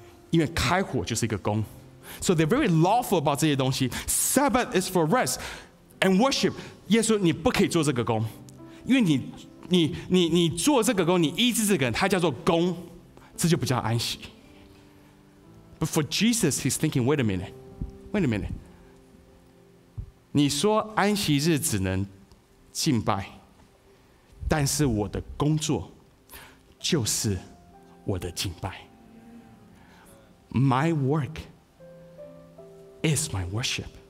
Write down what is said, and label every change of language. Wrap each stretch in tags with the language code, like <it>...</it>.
<zh>因为开火就是一个工 ，</zh> <en>so they're very lawful about</en> <zh>这些东西。</zh> <en>Sabbath is for rest and worship。</en> <zh>耶稣，你不可以做这个工，因为你做这个工，你医治这个人，他叫做工，这就不叫安息。</zh> <en>But for Jesus, he's thinking, wait a minute。</en> <zh>你说安息日只能敬拜，但是我的工作就是我的敬拜。</zh> <en>My work is my worship.</en>